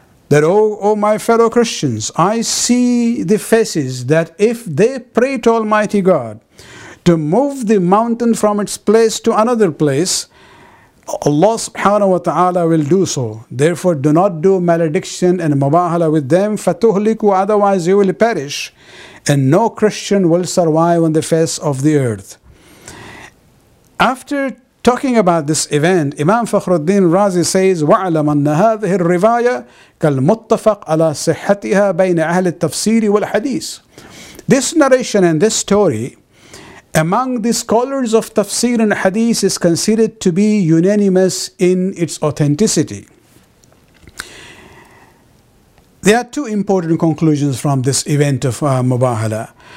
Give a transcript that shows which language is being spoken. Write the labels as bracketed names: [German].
[English] That, oh my fellow Christians, I see the faces that if they pray to Almighty God to move the mountain from its place to another place, Allah subhanahu wa ta'ala will do so. Therefore, do not do malediction and mubahala with them. [Arabic] فَتُهْلِكُوا, [English] otherwise you will perish. And no Christian will survive on the face of the earth. After talking about this event, Imam Fakhruddin Razi says, [Arabic] وَعْلَمَ أَنَّ هَذِهِ الرِّوَايَةِ كَالْمُتَّفَقَ عَلَى صِحَّتِهَا بَيْنَ أَهْلِ التَّفْسِيرِ وَالْحَدِيثِ. [English] This narration and this story among the scholars of tafsir and hadith is considered to be unanimous in its authenticity. There are two important conclusions from this event of mubahala.